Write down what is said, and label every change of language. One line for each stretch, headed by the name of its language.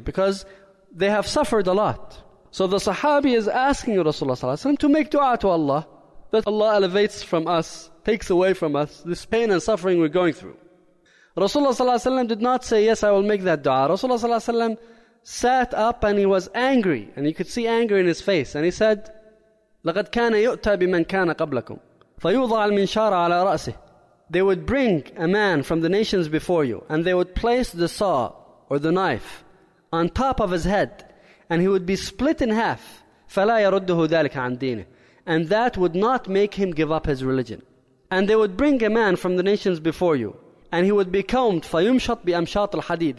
English: Because they have suffered a lot. So the Sahabi is asking Rasulullah Sallallahu Alaihi Wasallam to make dua to Allah that Allah elevates from us, takes away from us this pain and suffering we're going through. Rasulullah Sallallahu Alaihi Wasallam did not say, yes, I will make that dua. Rasulullah Sallallahu Alaihi Wasallam sat up and he was angry. And you could see anger in his face. And he said,
Arabic: لَقَدْ كَانَ يُؤْتَى بِمَنْ كَانَ قَبْلَكُمْ فَيُوضَعَ الْمِنْشَارَ عَلَىٰ رَأْسِهِ.
English: They would bring a man from the nations before you and they would place the saw or the knife on top of his head and he would be split in half.
Arabic: فَلَا يَرُدُّهُ ذَلِكَ عَنْ دِينِهِ.
English: And that would not make him give up his religion. And they would bring a man from the nations before you and he would be combed,
Arabic: فَيُمْشَطْ بِأَمْشَاطِ الْحَدِيدِ.